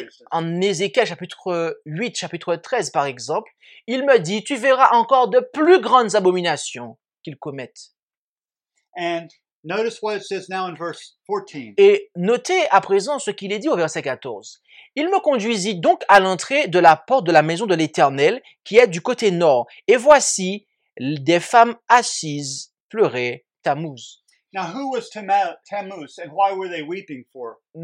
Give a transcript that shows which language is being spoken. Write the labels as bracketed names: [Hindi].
[French] En Ézéchiel chapitre 13 par exemple, il me dit, tu verras encore de plus grandes abominations qu'ils commettent. [English] And notice what it says now in verse 14. [French] Et notez à présent ce qu'il est dit au verset 14. Il me conduisit donc à l'entrée de la porte de la maison de l'Éternel, qui est du côté nord. Et voici, des femmes assises pleuraient Tammuz. [English] Now, who was Tammuz and why were they weeping for him?